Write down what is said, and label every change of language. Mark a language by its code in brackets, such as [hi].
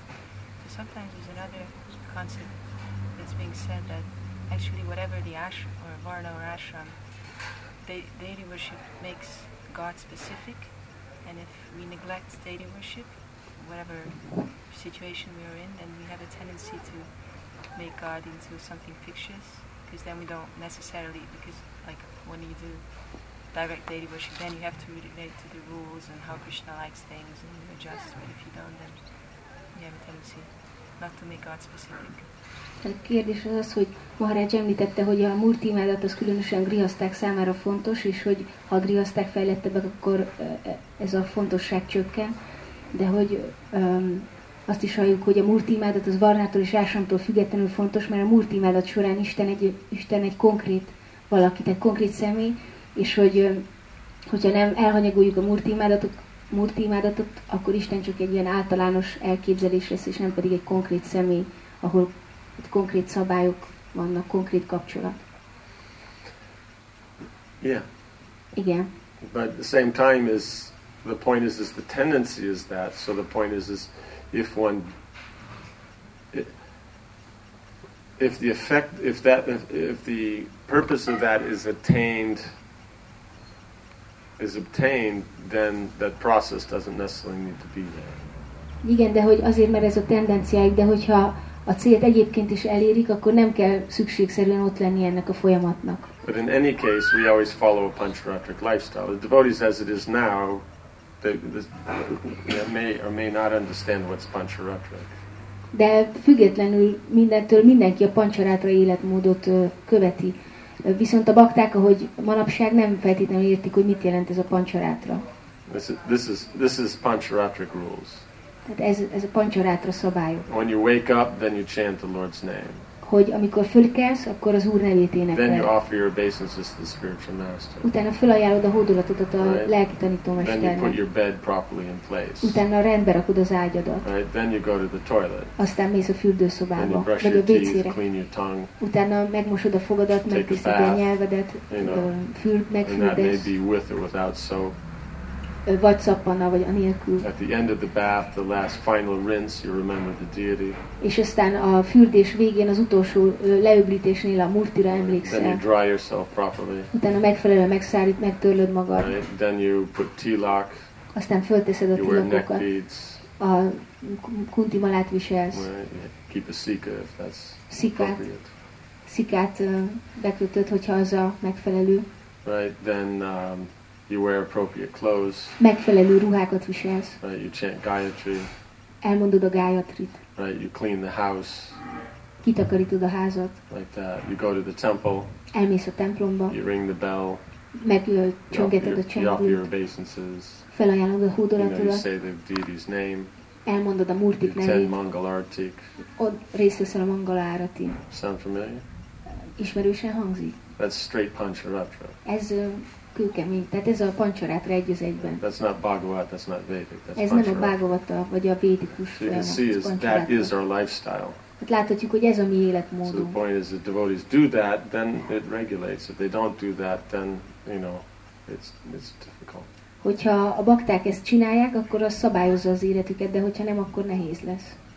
[en] So sometimes there's another concept that's being said that actually whatever the ashram or varna or ashram, deity worship makes God specific, and if we neglect deity worship, whatever situation we are in, then we have a tendency to make God into something fictitious, because then we don't necessarily, because like when you do direct deity worship, then you have to relate to the rules and how Krishna likes things and you adjust, but if you don't, then you have a tendency not to make God specific. [hu] A kérdés az az, hogy Maharaj említette, hogy a murti imádat az különösen grihaszták számára fontos, és hogy ha a grihaszták fejlettebbek, akkor ez a fontosság csökken, de hogy azt is halljuk, hogy a murti imádat az varnától és ásramtól függetlenül fontos, mert a murti imádat során Isten egy konkrét valakit, egy konkrét személy, és hogyha nem elhanyagoljuk a murti imádatot, akkor Isten csak egy ilyen általános elképzelés lesz, és nem pedig egy konkrét személy, ahol itt konkrét szabályok vannak, konkrét kapcsolat. [en] Yeah. [hu] Igen. [en] But at the same time is the point is the tendency is that, so the point is if one if the purpose of that is obtained, then that process doesn't necessarily need to be there. [hu] Igen, de hogy azért, mert ez a tendenciáik, de hogyha a célt egyébként is elérik, akkor nem kell szükségszerűen ott lenni ennek a folyamatnak. [en] But in any case, we always follow a panchratric lifestyle. The devotees as it is now, they may or may not understand what's panchratric. [hu] De függetlenül mindentől mindenki a panchratra életmódot követi. Viszont a bakták, ahogy manapság nem feltétlenül értik, hogy mit jelent ez a panchratra. [en] This is panchratric rules. [hu] Tehát ez a pancsorátra szabályok. [en] When you wake up, then you chant the Lord's name. [hu] Hogy amikor fölkelsz, akkor az Úr nevét énekel. [en] Then you offer your obeisances to the spiritual master. [hu] Utána felajánlod a hódolatodat a lelki tanítómesternek. [en] Then you put your bed properly in place. [hu] Utána rendbe rakod az ágyadat. [en] Right? Then you go to the toilet. [hu] Aztán mész a fürdőszobába, meg a vécére. [en] Clean your tongue. [hu] Utána megmosod a fogadat, megtisztítod a nyelvedet, megfürdesz. [en] And that may be with or without soap. [hu] Vagy szappanna, vagy anélkül. [en] At the end of the bath, the last final rinse, you remember the deity. [hu] És aztán a fürdés végén, az utolsó leöblítésnél a murtira emlékszel. [en] Then you dry yourself properly. [hu] Utána megfelelően megszárít, megtörlöd magad. [en] Right. Then you put tilak. [hu] Aztán fölteszed a tilakokat. [en] You wear neck beads. [hu] A kunti malát viselsz. [en] Right. Keep a szika, if that's [hu] szikát. [en] Appropriate. [hu] Szikát bekötöd, hogyha az a megfelelő. [en] Right, then you wear appropriate clothes. [hu] Megfelelő ruhákat viselsz. [en] Right, you chant Gayatri. [hu] Elmondod a Gayatrit. [en] Right, you clean the house. [hu] kitakarítod a házat. [en] Like that. You go to the temple. [hu] Elmész a templomba. [en] You ring the bell. [hu] Megcsongeted a csendőt. [en] You offer your obeisances. [hu] Felajánlod a hódolatodat. [en] You know, you say the deity's name. [hu] Elmondod a Murtik nevét. [en] You attend Mangalartik. [hu] Ott részt veszel a Mangalárati. [en] Sound familiar? [hu] Ismerősen hangzik. [en] That's straight Pancharatra. [hu] Ez kőkemény. Tehát ez a Pancharatra egy az egyben. [en] That's not Bhagavat, that's not Vedic. That's [hu] ez [en] Pancharatra. [hu] Nem a Bhagavata, vagy a Védikus. [en] So you can see is, that is our lifestyle. [hu] Hát láthatjuk, hogy ez a mi életmódunk. [en] So the point is, if devotees do that, then it regulates. If they don't do that, then, you know, it's difficult. [hu] Hogyha a bakták ezt csinálják, akkor az szabályozza az életüket, de hogyha nem, akkor nehéz lesz.